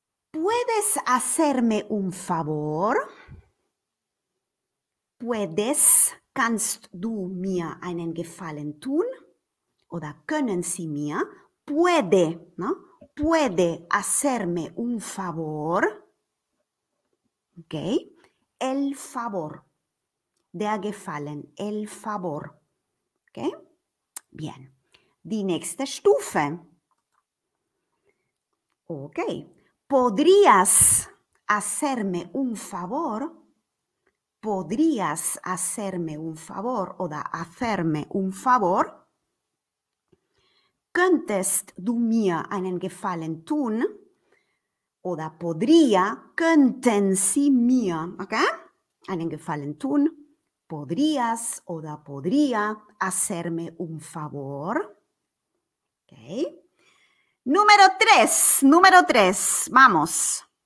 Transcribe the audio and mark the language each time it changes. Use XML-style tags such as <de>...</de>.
<es>¿Puedes hacerme un favor? ¿Puedes?</es> <de>¿Kannst du mir einen Gefallen tun? Oder können Sie mir?</de> <es>¿Puede? ¿No? ¿Puede hacerme un favor? Okay. El favor.</es> <de>Der Gefallen.</de> <es>El favor. Okay. Bien.</es> <de>Die nächste Stufe. Okay.</de> <es>¿Podrías hacerme un favor? ¿Podrías hacerme un favor? Oder hacerme un favor.</es> <de>¿Könntest du mir einen Gefallen tun? Oder podría, könnten Sie mir, okay? Einen Gefallen tun.</de> <es>¿Podrías oder podría hacerme un favor? Okay. Número tres, número tres, vamos.</es>